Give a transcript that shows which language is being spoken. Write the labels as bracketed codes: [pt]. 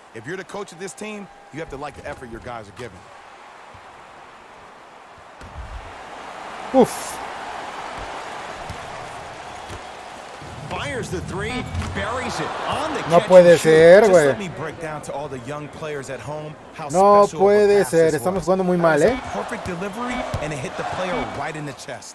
[en] If you're the coach of this team, you have to like the effort your guys are giving. Oof. Fires the three, buries it on the [es] no puede ser, güey. [en] Just let me break down to all the young players at home how [es] no puede ser, estamos jugando muy mal, ¿eh? [en] Perfect delivery and it hit the player right in the chest.